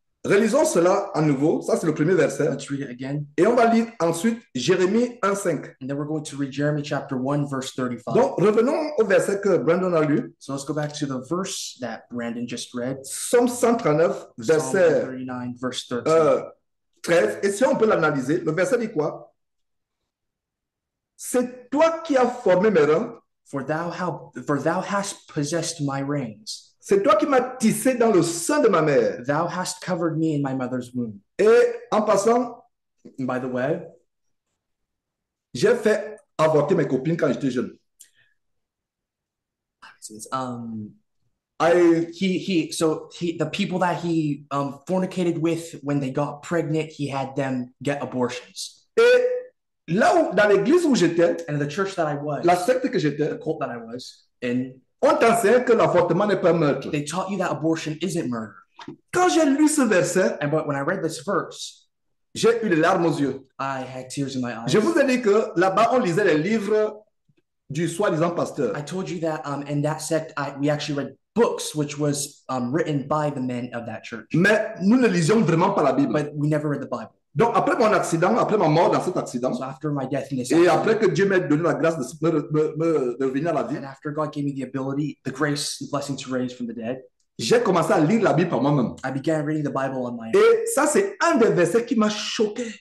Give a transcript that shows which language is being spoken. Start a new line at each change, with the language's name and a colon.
French: Relisons cela à nouveau. Ça, c'est le premier verset.
English: Let's read it again.
French: Et on va lire ensuite Jérémie 1:5.
English: And then we're going to read Jeremy chapter 1, verse 35.
French: Donc, revenons au verset que Brandon a lu.
English: So let's go back to the verse that Brandon just read.
French: Psalm 139, verset
English: 139, verse 13. 13.
French: Et si on peut l'analyser, le verset dit quoi? C'est toi qui as formé mes reins.
English: For thou hast possessed my reins.
French: C'est toi qui m'as tissé dans le sein de ma mère.
English: Thou hast covered me in my mother's womb.
French: Et en passant,
English: by the way,
French: j'ai fait avorter mes copines quand j'étais jeune.
English: The people that he fornicated with when they got pregnant, he had them get abortions.
French: Et là où, dans l'église où j'étais,
English: and the church that I was,
French: la secte que j'étais,
English: the cult that I was in,
French: on t'enseigne que l'avortement n'est pas meurtre.
English: They taught you that abortion isn't murder.
French: Quand j'ai lu ce verset,
English: and but when I read this verse,
French: j'ai eu les larmes aux yeux.
English: I had tears in my eyes.
French: Je vous ai dit que là-bas, on lisait les livres du soi-disant pasteur.
English: I told you that in that sect, we actually read books, which was written by the men of that church.
French: Mais nous ne lisions vraiment pas la Bible.
English: But we never read the Bible.
French: Donc après mon accident, après ma mort dans cet accident,
English: so after my death in this
French: et accident, après que Dieu m'ait donné la grâce de revenir à la vie,
English: and after God gave me the ability, the grace, the blessing to raise from the dead,
French: j'ai commencé à lire la Bible par moi-même.
English: I began reading the Bible on my own.
French: Et ça c'est un des versets qui m'a choqué.